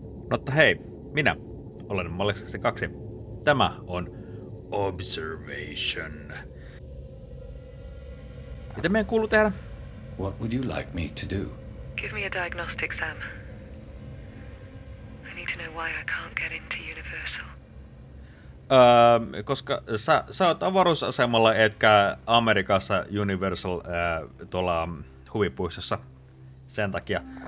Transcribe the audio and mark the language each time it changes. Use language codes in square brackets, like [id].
[fi] Mutta hei, minä olen Maleksaksi 2. Tämä on Observation. Mitä meidän kuuluu tehdä? [en] What would you like me to do? Give me a diagnostic, Sam. I need to know why I can't get into Universal. [fi] Koska sä oot avaruusasemalla, etkä Amerikassa Universal tuolla huvipuistossa. Sen takia.